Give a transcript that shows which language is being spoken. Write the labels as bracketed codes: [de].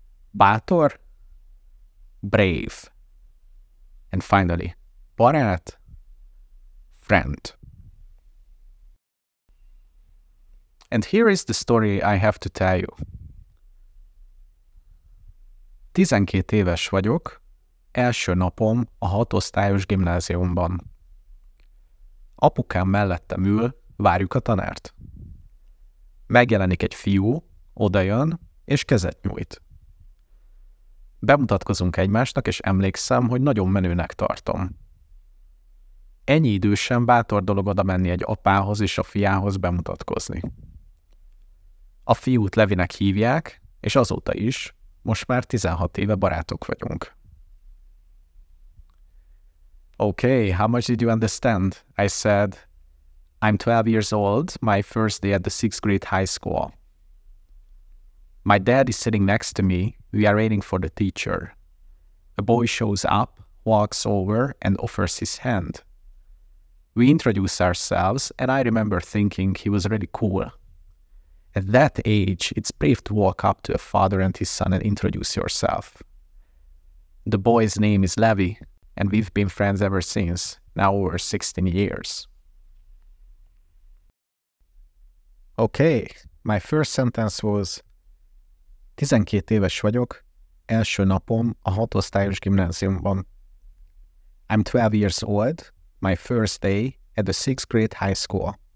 [en] Bátor, brave. And finally, barát, friend. And here is the story I have to tell you. [hu] 12 éves vagyok, első napom a 6-osztályos gimnáziumban. Apukám mellettem ül, várjuk a tanárt. Megjelenik egy fiú, odajön, és kezet nyújt. Bemutatkozunk egymásnak, és emlékszem, hogy nagyon menőnek tartom. Ennyi idősen bátor dolog oda menni egy apához és a fiához bemutatkozni. A fiút Levinek hívják, és azóta is, most már 16 éve barátok vagyunk. [en] Okay, how much did you understand? I said, I'm 12 years old, my first day at the 6th grade high school. My dad is sitting next to me. We are waiting for the teacher. A boy shows up, walks over, and offers his hand. We introduce ourselves, and I remember thinking he was really cool. At that age, it's brave to walk up to a father and his son and introduce yourself. The boy's name is Levi, and we've been friends ever since, now over 16 years. Okay, my first sentence was, [hu] 12 éves vagyok, első napom a 6. osztályos gimnáziumban. [en] I'm 12 years old, my first day at the 6th grade high school.